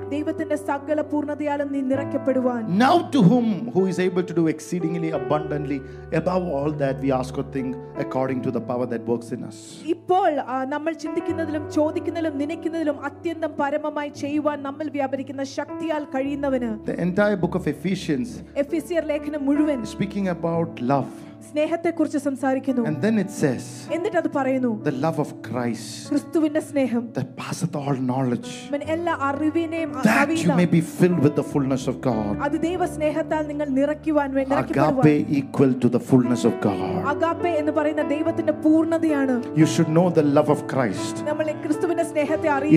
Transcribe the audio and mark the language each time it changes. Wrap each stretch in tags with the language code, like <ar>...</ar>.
<ml>ദൈവത്തിന്റെ സകല പൂർണ്ണതയാലും നീ നിറയ്ക്കപ്പെടുവാൻ.</ml> <en>Now to whom who is able to do exceedingly abundantly above all that we ask or think according to the power that works in us.</en> <ml>ഇപ്പോൾ നമ്മൾ ചിന്തിക്കുന്നതിലും ചോദിക്കുന്നതിലും നിനയ്ക്കുന്നതിലും അത്യന്തം പരമമായി ചെയ്യുവാൻ നമ്മൾ വ്യാപരിക്കുന്ന ശക്തിയാൽ കഴിയുന്നവന്.</ml> <en>The entire book of Ephesians,</en> <ml>എഫീസ്യർ ലേഖനം മുഴുവൻ,</ml> <en>speaking about love,</en> <ml>സ്നേഹത്തെ കുറിച്ച് സംസാരിക്കുന്നു.</ml> <en>And then it says,</en> <ml>എന്നിട്ട് അത് പറയുന്നു,</ml> <en>the love of Christ,</en> <ml>ക്രിസ്തുവിന്റെ സ്നേഹം,</ml> <en>that passeth all knowledge,</en> <ml>എല്ലാ അറിവിനെയും,</ml> <en>that you may be filled with the fullness of God.</en> <ml>അത് ദൈവ സ്നേഹത്താൽ നിങ്ങൾ നിറയ്ക്കുവാൻ വേണ്ടി നിറയ്ക്കപ്പെടുവാൻ.</ml> <en>Agape equal to the fullness of God.</en> <ml>Agape എന്ന് പറയുന്ന ദൈവത്തിന്റെ പൂർണ്ണതയാണ്.</ml> <en>You should know the love of Christ.</en> <ml>നമ്മൾ ക്രിസ്തുവിന്റെ സ്നേഹത്തെ അറിയണം.</ml>